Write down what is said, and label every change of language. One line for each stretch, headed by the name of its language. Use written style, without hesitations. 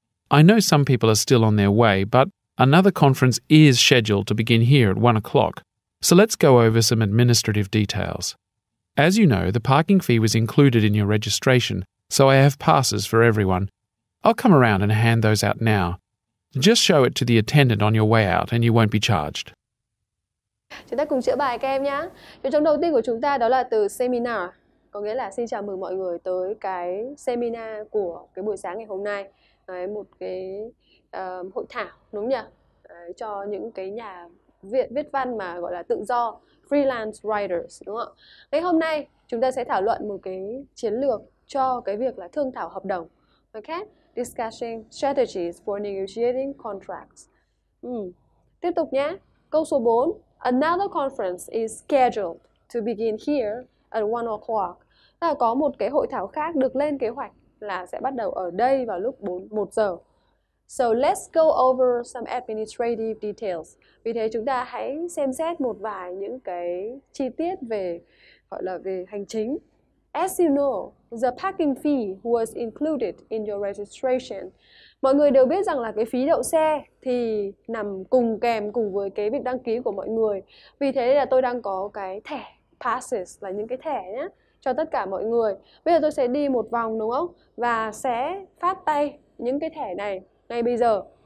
English: I know some people are still on their way, but another conference is scheduled to begin here at 1 o'clock, so let's go over some administrative details. As you know, the parking fee was included in your registration, so I have passes for everyone. I'll come around and hand those out now. Just show it to the attendant on your way out and you won't be charged.
Vietnamese: Chúng ta cùng chữa bài các em nhé. Trong đầu tiên của chúng ta đó là từ seminar. Có nghĩa là xin chào mừng mọi người tới cái seminar của cái buổi sáng ngày hôm nay. Đấy, một cái hội thảo đúng nhỉ? Đấy, cho những cái nhà viết văn mà gọi là tự do,
English: freelance writers
Vietnamese: đúng không? Ngày hôm nay chúng ta sẽ thảo luận một cái chiến lược cho cái việc là thương thảo hợp đồng.
English: Okay, discussing strategies for negotiating contracts.
Vietnamese: Tiếp tục nhé. Câu số 4.
English: Another conference is scheduled to begin here at 1 o'clock.
Vietnamese: Là có một cái hội thảo khác được lên kế hoạch là sẽ bắt đầu ở đây vào lúc 1 giờ.
English: So let's go over some administrative details.
Vietnamese: Vì thế chúng ta hãy xem xét một vài những cái chi tiết về gọi là về hành chính.
English: As you know, the parking fee was included in your registration.
Vietnamese: Mọi người đều biết rằng là cái phí đậu xe thì nằm cùng kèm cùng với cái việc đăng ký của mọi người. Vì thế là tôi đang có cái thẻ passes, là những cái thẻ nhé, cho tất cả mọi người. Bây giờ tôi sẽ đi một vòng đúng không? Và sẽ phát tay những cái thẻ này ngay bây giờ.